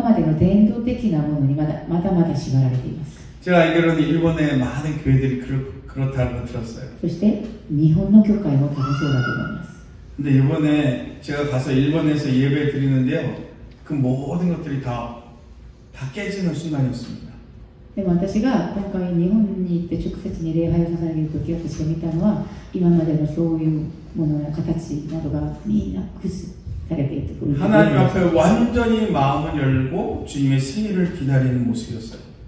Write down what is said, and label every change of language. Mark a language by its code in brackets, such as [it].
[ja] 今の韓国の教会は本当に今までの伝統的なものにまだまだ縛られています。 [ko] 제가 알기로는 일본의 많은 교회들이 그렇다고 들었어요. [ja] そして日本の教会も多分そうだと思います。 [ko] 근데 이번에 제가 가서 일본에서 예배 드리는데요, 그 모든 것들이 다 깨지는 순간이었습니다. [ja] でも私が今回日本に行って直接に礼拝を捧げる時、私が見たのは今までのそういうものや形などがみんな崩す。 [ko] 하나님 앞에 완전히 마음을 열고 주님의 승리를 기다리는 모습이었어요.